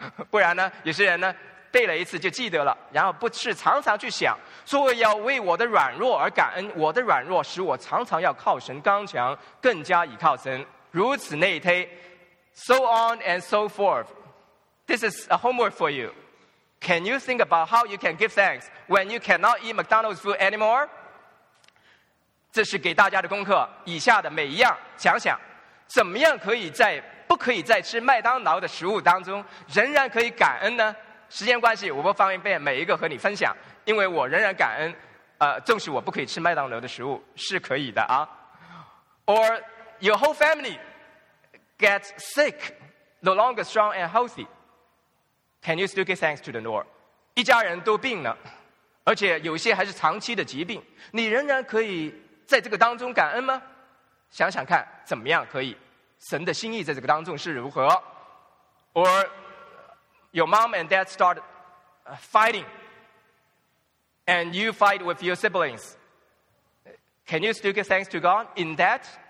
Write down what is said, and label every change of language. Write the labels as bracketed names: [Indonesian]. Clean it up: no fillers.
[Chinese] 不然呢，有些人呢背了一次就记得了，然后不是常常去想说我要为我的软弱而感恩，我的软弱使我常常要靠神刚强，更加倚靠神，如此内推， [English] so on and so forth. This is a homework for you. Can you think about how you can give thanks when you cannot eat McDonald's food anymore? [Chinese] 这是给大家的功课，以下的每一样想想，怎么样可以在不可以再吃麦当劳的食物当中仍然可以感恩呢？时间关系，我不方便每一个和你分享，因为我仍然感恩，纵使我不可以吃麦当劳的食物，是可以的啊。 [English] Or your whole family gets sick, no longer strong and healthy. Can you still give thanks to the Lord? [Chinese] 一家人都病了，而且有些还是长期的疾病，你仍然可以在这个当中感恩吗？想想看怎么样可以， 神的心意在这个当中是如何？ [English] Or your mom and dad start fighting, and you fight with your siblings. Can you still give thanks to God in that?